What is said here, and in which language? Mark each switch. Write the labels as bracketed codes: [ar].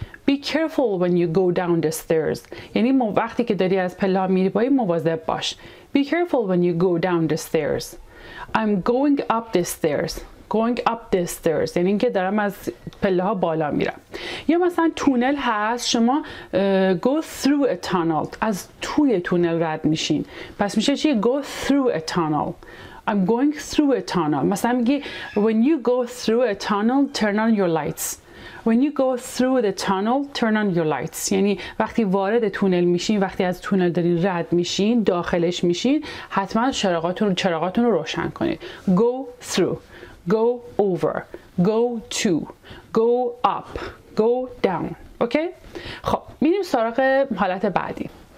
[en] Be careful when you go down the stairs. [fa] یعنی وقتی که داری از پله ها میری پایین مواظب باش. [en] Be careful when you go down the stairs. I'm going up the stairs. Going up the stairs. [fa] یعنی که دارم از پله ها بالا میرم. یا مثلا تونل هست، شما [en] go through a tunnel. [fa] از توی تونل رد میشین. پس میشه چی؟ [en] Go through a tunnel. I'm going through a tunnel. [fa] مثلا میگی [en] when you go through a tunnel, turn on your lights. When you go through the tunnel, turn on your lights. [fa] یعنی وقتی وارد تونل میشین، وقتی از تونل دارین رد میشین، داخلش میشین، حتما چراغاتون رو روشن کنید. [en] Go through, go over, go to, go up, go down. Okay? [fa] خب میریم سراغ حالت بعدی.